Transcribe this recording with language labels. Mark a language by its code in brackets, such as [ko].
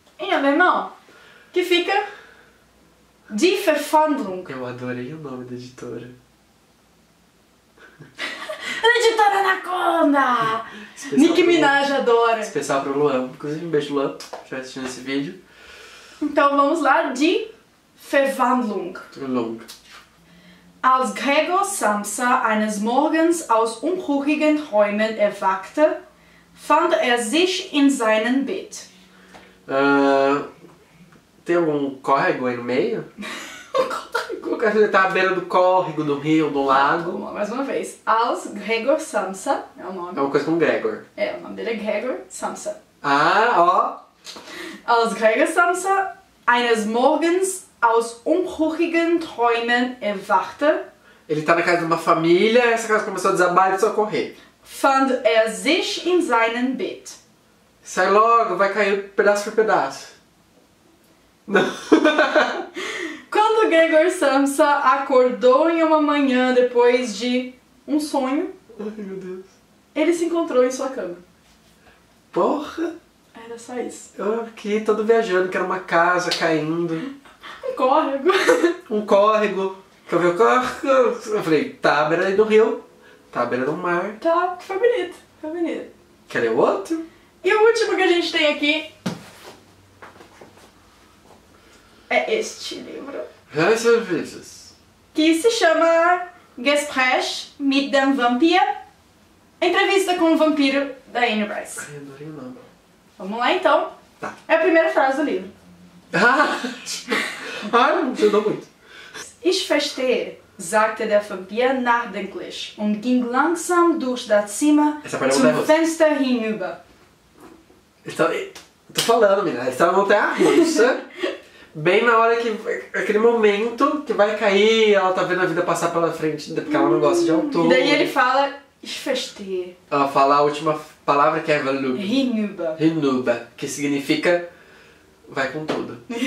[pt] Em alemão, que fica Die Verwandlung. Eu adorei o nome da editora. Editora Anaconda! Nick Minaj adora. Especial pro Luan. Inclusive, um beijo, Luan, já assistindo esse vídeo. Então vamos lá, Die Verwandlung. Verwandlung. [de] Als Gregor Samsa eines Morgens aus unruhigen Träumen erwachte, fand sich in seinem Bett. [pt] Tem algum córrego aí no meio? Um córrego? Tá à beira do córrego, do rio, do lago. Mais uma vez. Als Gregor Samsa é o nome. É uma coisa com Gregor. É, o nome dele é Gregor Samsa. Ah, ó. [de] Als Gregor Samsa eines Morgens aus unruhigen Träumen erwachte. [pt] Ele tá na casa de uma família, essa casa começou a desabar e socorrer. [de] Fand sich in seinem Bett. [pt] Sai logo, vai cair pedaço por pedaço. Quando Gregor Samsa acordou em uma manhã depois de um sonho, ai, meu Deus. Ele se encontrou em sua cama. Porra! Era só isso. Eu aqui todo viajando, que era uma casa caindo. Um córrego. Um córrego. Que eu vi o córrego. Eu falei, tá à beira do rio, tá à beira do mar. Tá, foi bonito, foi bonito. Quer ler o outro? E o último que a gente tem aqui é este livro. Reservices. Que se chama Gespräch mit dem Vampir. Entrevista com o vampiro da Anne Rice. Ai, adorei o nome. Vamos lá então. Tá. É a primeira frase do livro. Ah, ah, não ajudou muito. [de] Ich verstehe, sagte der Vampir nachdenklich und ging langsam durch das Zimmer zum Fenster hinüber. [pt] Tô falando, menina. Eles estavam na montanha-russa, bem na hora que... Aquele momento que vai cair, ela tá vendo a vida passar pela frente, porque ela não gosta de altura. E daí ele fala, Esfeste. Ela fala a última palavra que é Valub. Rinuba. Rinuba, que significa vai com tudo.